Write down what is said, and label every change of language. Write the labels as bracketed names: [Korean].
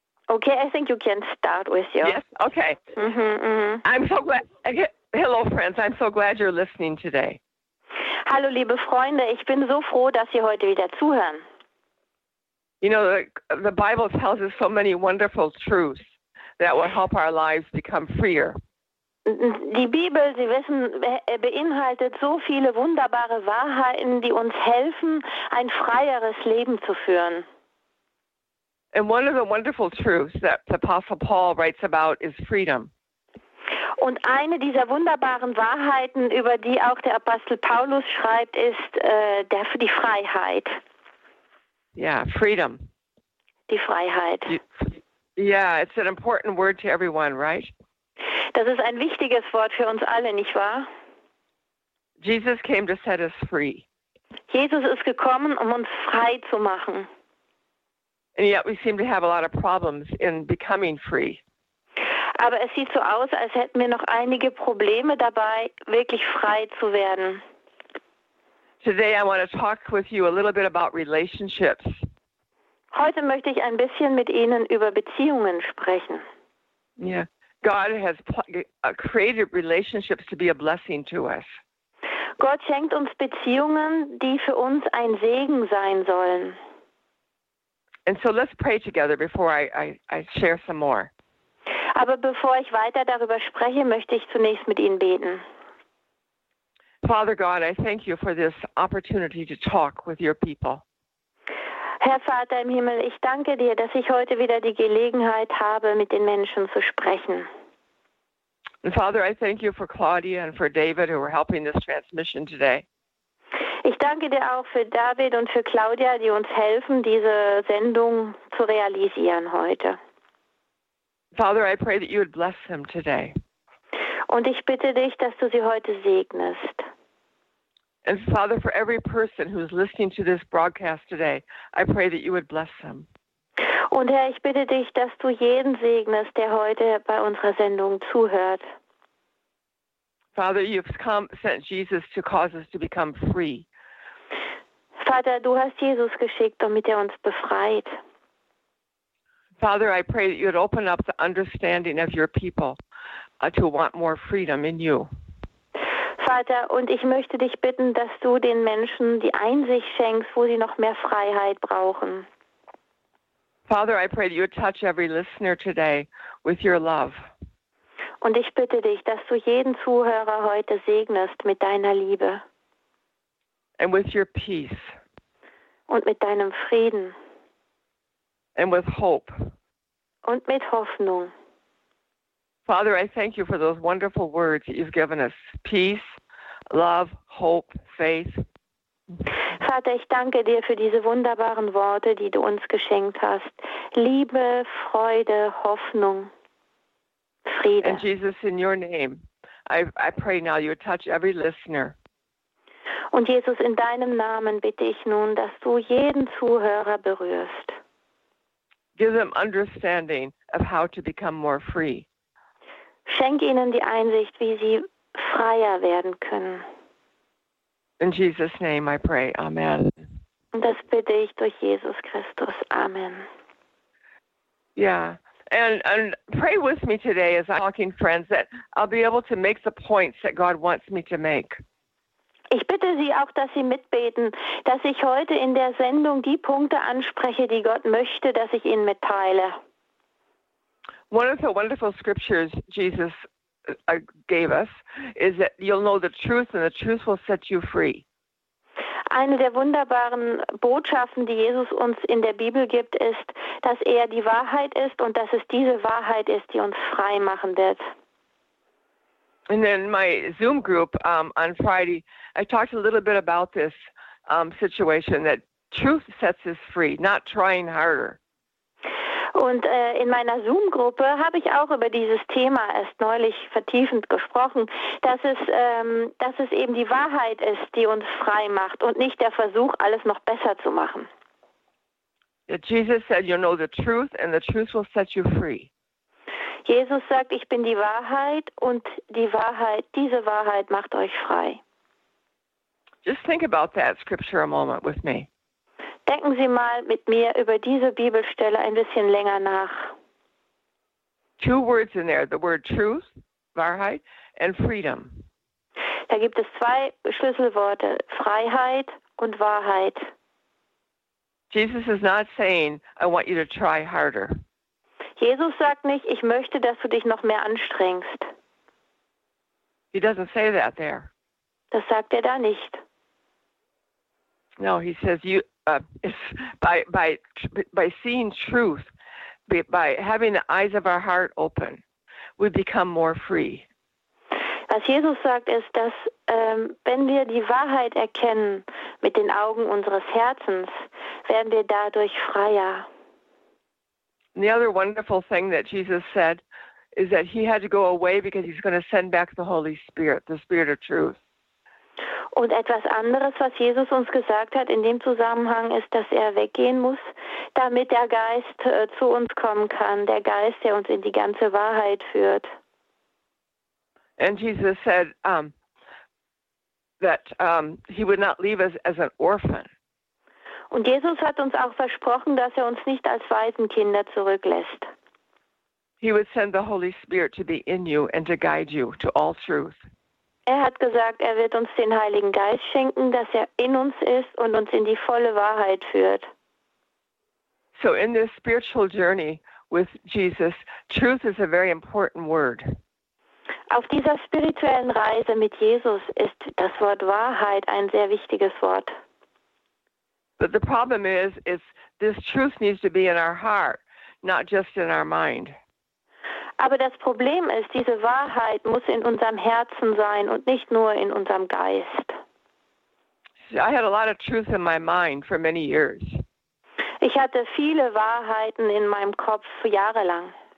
[English] Okay, I think you can start with your... Yes, okay. Mm-hmm, mm-hmm. I'm so glad... Hello, friends. I'm so glad you're listening today. [German] Hallo, liebe Freunde. Ich bin so froh, dass Sie heute wieder zuhören. [English] You know, the Bible tells us so many wonderful truths that will help our lives become freer. [German] Die Bibel, Sie wissen, beinhaltet so viele wunderbare Wahrheiten, die uns helfen, ein freieres Leben zu führen. [English] And one of the wonderful truths that the Apostle Paul writes about is freedom. [German] Und eine dieser wunderbaren Wahrheiten, über die auch der Apostel Paulus schreibt, ist die Freiheit. [English] Yeah, freedom. [German] Die Freiheit. [English] Yeah, it's an important word to everyone, right? [German] Das ist ein wichtiges Wort für uns alle, nicht wahr? [English] Jesus came to set us free. [German] Jesus ist gekommen, um uns frei zu machen. [English] And yet we seem to have a lot of problems in becoming free. [German] Aber es sieht so aus, als hätten wir noch einige Probleme dabei, wirklich frei zu werden. [English] Today I want to talk with you a little bit about relationships. [German] Heute möchte ich ein bisschen mit Ihnen über Beziehungen sprechen. [English] Yeah. God has created relationships to be a blessing to us. [German] Gott schenkt uns Beziehungen, die für uns ein Segen sein sollen. [English] And so let's pray together before I share some more. [German] Aber bevor ich weiter darüber spreche, möchte ich zunächst mit Ihnen beten. [English] Father God, I thank you for this opportunity to talk with your people. [German] Herr Vater im Himmel, ich danke dir, dass ich heute wieder die Gelegenheit habe, mit den Menschen zu sprechen. [English] And Father, I thank you for Claudia and for David who are helping this transmission today. [German] Ich danke dir auch für David und für Claudia, die uns helfen, diese Sendung zu realisieren heute. [English] Father, I pray that you would bless them today. [German] Und ich bitte dich, dass du sie heute segnest. [English] And Father, for every person who's listening to this broadcast today, I pray that you would bless them. [German] Und Herr, ich bitte dich, dass du jeden segnest, der heute bei unserer Sendung zuhört. [English] Father, you've come, sent Jesus to cause us to become free. [German] Vater, du hast Jesus geschickt, damit er uns befreit. [English] Father, I pray that you would open up the understanding of your people to want more freedom in you. [German] Vater, und ich möchte dich bitten, dass du den Menschen die Einsicht schenkst, wo sie noch mehr Freiheit brauchen. [English] Father, I pray that you would touch every listener today with your love. [German] Und ich bitte dich, dass du jeden Zuhörer heute segnest mit deiner Liebe. [English] And with your peace. [German] Und mit deinem Frieden. [English] And with hope. [German] und mit Hoffnung. [English] Father, I thank you for those wonderful words that you've given us. Peace, love, hope, faith. [German] Vater, ich danke dir für diese wunderbaren Worte, die du uns geschenkt hast. Liebe, Freude, Hoffnung, Friede. [English] And Jesus, in your name, I pray now you touch every listener. [German] Und Jesus, in deinem Namen bitte ich nun, dass du jeden Zuhörer berührst. [English] Give them understanding of how to become more free. [German] Schenk ihnen die Einsicht, wie sie freier werden können. [English] In Jesus' name I pray. Amen. [German] Das bitte ich durch Jesus Christus. Amen. [English] Yeah. And pray with me today as I'm talking, friends, that I'll be able to make the points that God wants me to make. [German] Ich bitte Sie auch, dass Sie mitbeten, dass ich heute in der Sendung die Punkte anspreche, die Gott möchte, dass ich Ihnen mitteile. [English] One of the wonderful scriptures Jesus gave us is that you'll know the truth and the truth will set you free. [German] Eine der wunderbaren Botschaften, die Jesus uns in der Bibel gibt, ist, dass er die Wahrheit ist und dass es diese Wahrheit ist, die uns frei machen wird. [English] And then my Zoom group on Friday, I talked a little bit about this situation, that truth sets us free, not trying harder. [German] Und in meiner Zoom-Gruppe habe ich auch über dieses Thema erst neulich vertiefend gesprochen, dass es eben die Wahrheit ist, die uns frei macht und nicht der Versuch, alles noch besser zu machen. [English] Jesus said, you know the truth and the truth will set you free. [German] Jesus sagt, ich bin die Wahrheit und diese Wahrheit macht euch frei. [English] Just think about that scripture a moment with me. [German] Denken Sie mal mit mir über diese Bibelstelle ein bisschen länger nach. [English] Two words in there, the word truth, Wahrheit, and freedom. [German] Da gibt es zwei Schlüsselworte, Freiheit und Wahrheit. [English] Jesus is not saying, I want you to try harder. [German] Jesus sagt nicht, ich möchte, dass du dich noch mehr anstrengst. [English] He doesn't say that there. [German] Das sagt er da nicht. [English] No, he says, you. By seeing truth, by having the eyes of our heart open, we become more free. [German] Was Jesus sagt, ist, dass wenn wir die Wahrheit erkennen mit den Augen unseres Herzens, werden wir dadurch freier. [English] And the other wonderful thing that Jesus said is that he had to go away because he's going to send back the Holy Spirit, the Spirit of Truth. [German] Und etwas anderes, was Jesus uns gesagt hat in dem Zusammenhang, ist, dass er weggehen muss, damit der Geist zu uns kommen kann, der Geist, der uns in die ganze Wahrheit führt. [English] And Jesus said that he would not leave us as an orphan. [German] Und Jesus hat uns auch versprochen, dass er uns nicht als Waisenkinder zurücklässt. [English] He would send the Holy Spirit to be in you and to guide you to all truth. [German] Er hat gesagt, er wird uns den Heiligen Geist schenken, dass er in uns ist und uns in die volle Wahrheit führt. [English] So in this spiritual journey with Jesus, truth is a very important word. [German] Auf dieser spirituellen Reise mit Jesus ist das Wort Wahrheit ein sehr wichtiges Wort. [English] But the problem is this truth needs to be in our heart, not just in our mind. [German] Aber das Problem ist, diese Wahrheit muss in unserem Herzen sein und nicht nur in unserem Geist. [English] I had a lot of truth in my mind for many years. [German] Ich hatte viele Wahrheiten in meinem Kopf jahrelang.